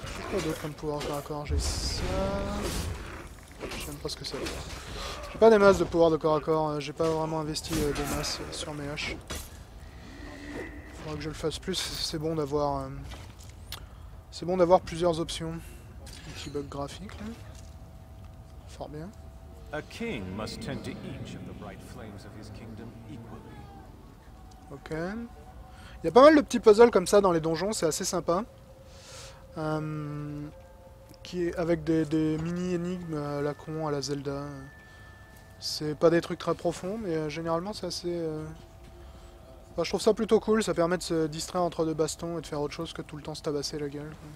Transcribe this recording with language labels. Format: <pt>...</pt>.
<fr>Quoi d'autre comme pouvoir corps à corps? J'ai ça... J'aime pas ce que c'est. J'ai pas des masses de pouvoir de corps à corps, j'ai pas vraiment investi des masses sur mes haches. Que je le fasse plus, c'est bon d'avoir plusieurs options. Un petit bug graphique là. Fort bien.</fr> <en>A king must tend to each of the bright flames of his kingdom equally.</en> <fr>OK. Il y a pas mal de petits puzzles comme ça dans les donjons, c'est assez sympa. Qui est avec des mini énigmes à la con à la Zelda. C'est pas des trucs très profonds mais généralement c'est assez Enfin, je trouve ça plutôt cool, ça permet de se distraire entre deux bastons et de faire autre chose que tout le temps se tabasser la gueule.</fr>